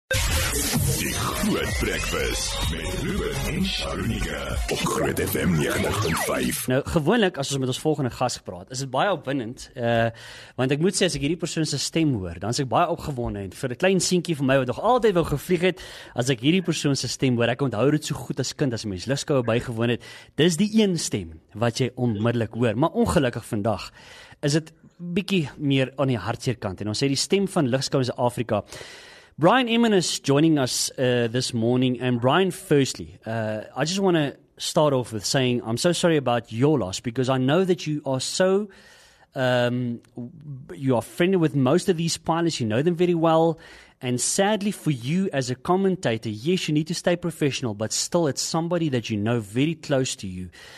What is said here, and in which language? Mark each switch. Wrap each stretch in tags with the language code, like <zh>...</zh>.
<af>Groot Breakfast met Ruben en Sharunika op Groot FM 98.5. Nou, gewoonlik, as ons met ons volgende gas praat, is het baie opwindend, want ek moet sê, as ek hierdie persoon sy stem hoor, dan is ek baie opgewonde, en vir 'n klein sientjie van my wat nog altyd wou gevlieg het, as ek hierdie persoon sy stem hoor, ek onthou dit so goed as kind, as mens Luskou bygewoon het, dis die een stem wat jy onmiddellik hoor, maar ongelukkig vandag is het bietjie meer aan die hartseer kant, en ons sê die stem van Luskou in Afrika.</af> <en>Brian Eman is joining us this morning, and Brian, firstly, I just want to start off with saying I'm so sorry about your loss, because I know that you are so, you are friendly with most of these pilots, you know them very well, and sadly for you as a commentator, yes, you need to stay professional, but still it's somebody that you know very close to you.</en>